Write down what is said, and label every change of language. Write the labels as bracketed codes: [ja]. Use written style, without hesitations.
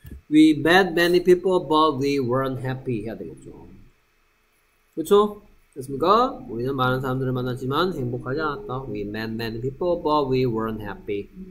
[en] We met many people, but we weren't happy. [ko] 해야 되겠죠. 그렇죠? 됐습니까? 우리는 많은 사람들을 만났지만 행복하지 않았다. [en] We met many people, but we weren't happy.